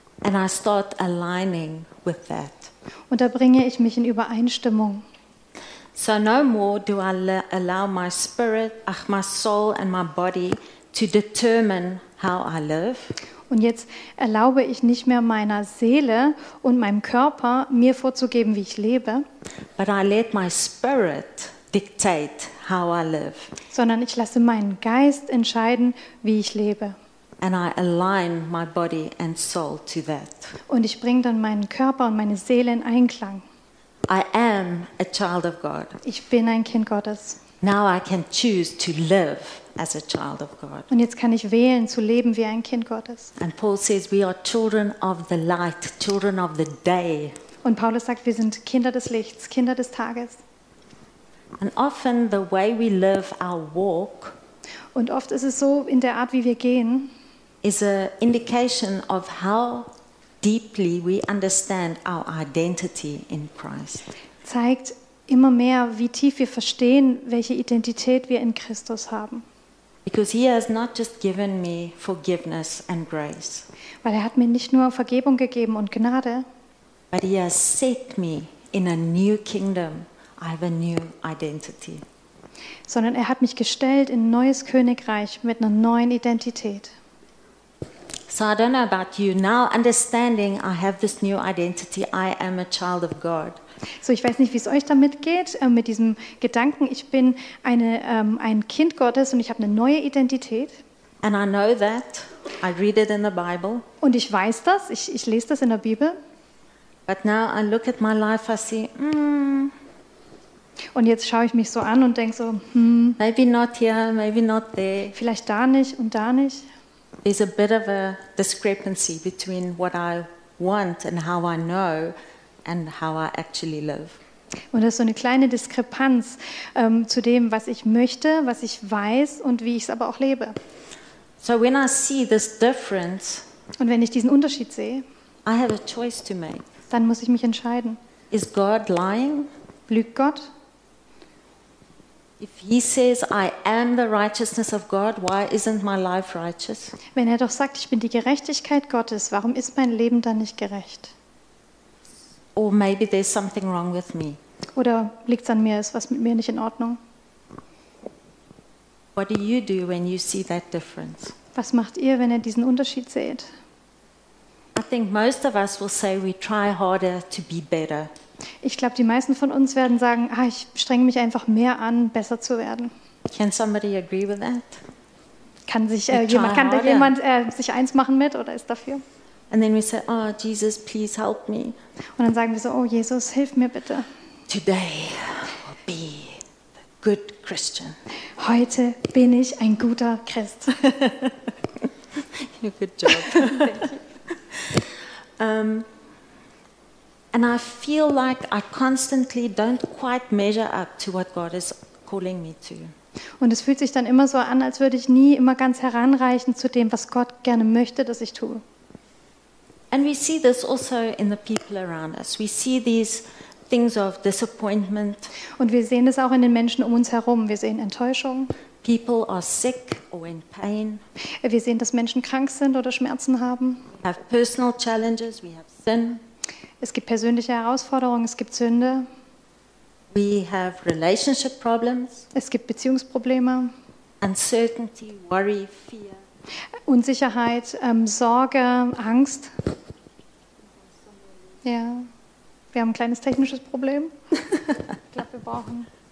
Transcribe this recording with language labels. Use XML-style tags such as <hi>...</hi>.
<en>And I start aligning with that.</en> <de>Und da bringe ich mich in Übereinstimmung.</de> <en>So no more do I allow my spirit, my soul and my body to determine how I live.</en> <de>Und jetzt erlaube ich nicht mehr meiner Seele und meinem Körper mir vorzugeben, wie ich lebe.</de> <en>But I let my spirit dictate how I live.</en> <de>Sondern ich lasse meinen Geist entscheiden, wie ich lebe.</de> <en>And I align my body and soul to that.</en> <de>Und ich bringe dann meinen Körper und meine Seele in Einklang.</de> <en>I am a child of God.</en> <de>Ich bin ein Kind Gottes.</de> <en>Now I can choose to live as a child of God.</en> <de>Und jetzt kann ich wählen zu leben wie ein Kind Gottes.</de> <en>And Paul says we are children of the light, children of the day.</en> <de>Und Paulus sagt, wir sind Kinder des Lichts, Kinder des Tages.</de> <en>And often the way we live our walk.</en> <de>Und oft ist es so in der Art, wie wir gehen,</de> <en>is a indication of how deeply we understand our identity in Christ.</en> <de>Zeigt immer mehr, wie tief wir verstehen, welche Identität wir in Christus haben.</de> <en>Because he has not just given me forgiveness and grace.</en> <de>Weil er hat mir nicht nur Vergebung gegeben und Gnade.</de> <en>But he has set me in a new kingdom. I have a new identity.</en> <de>Sondern er hat mich gestellt in ein neues Königreich mit einer neuen Identität.</de> <en>So I don't know about you. Now understanding I have this new identity, I am a child of God.</en> <de>So, ich weiß nicht, wie es euch damit geht, mit diesem Gedanken, ich bin eine, ein Kind Gottes und ich habe eine neue Identität.</de> <en>And I know that. I read it in the Bible.</en> <de>Und ich weiß das, ich lese das in der Bibel.</de> <en>But now I look at my life, I see,</en> <de>Und jetzt schaue ich mich so an und denke so,</de> <en>Maybe not here, maybe not there.</en> <de>Vielleicht da nicht und da nicht.</de> <en>There's a bit of a discrepancy between what I want and how I know. And how I actually live.</en> <de>Und das ist so eine kleine Diskrepanz zu dem, was ich möchte, was ich weiß und wie ich es aber auch lebe.</de> <en>So when I see this difference,</en> <de>und wenn ich diesen Unterschied sehe,</de> <en>I have a choice to make.</en> <de>Dann muss ich mich entscheiden.</de> <en>Is God lying?</en> <de>Lügt Gott?</de> <en>If he says I am the righteousness of God, why isn't my life righteous?</en> <de>Wenn er doch sagt, ich bin die Gerechtigkeit Gottes, warum ist mein Leben dann nicht gerecht?</de> <en>Or maybe there's something wrong with me.</en> <de>Oder liegt's an mir, ist was mit mir nicht in Ordnung?</de> <en>What do you do when you see that difference?</en> <de>Was macht ihr, wenn ihr diesen Unterschied seht?</de> <en>I think most of us will say we try harder to be better.</en> <de>Ich glaube, die meisten von uns werden sagen, ich strenge mich einfach mehr an, besser zu werden.</de> <en>Can somebody agree with that?</en> <de>Kann sich jemand harder. Kann da jemand sich eins machen mit oder ist dafür?</de> <en>And then we say, oh Jesus, please help me.</en> <de>Und dann sagen wir so, oh Jesus, hilf mir bitte.</de> <en>Today I'll be a good Christian.</en> <de>Heute bin ich ein guter Christ.</de> <en>You're a good job. And I feel like I constantly don't quite measure up to what God is calling me to.</en> <de>Und es fühlt sich dann immer so an, als würde ich nie immer ganz heranreichen zu dem, was Gott gerne möchte, dass ich tue.</de> <en>And we see this also in the people around us. We see these things of disappointment.</en> <de>Und wir sehen es auch in den Menschen um uns herum. Wir sehen Enttäuschung.</de> <en>People are sick or in pain.</en> <de>Wir sehen, dass Menschen krank sind oder Schmerzen haben.</de> <en>We have personal challenges. We have sin.</en> <de>Es gibt persönliche Herausforderungen. Es gibt Sünde.</de> <en>We have relationship problems.</en> <de>Es gibt Beziehungsprobleme.</de> <en>Uncertainty, worry, fear.</en> <de>Unsicherheit, Sorge, Angst. Ja, wir haben ein kleines technisches Problem. Ich glaube, wir brauchen.</de>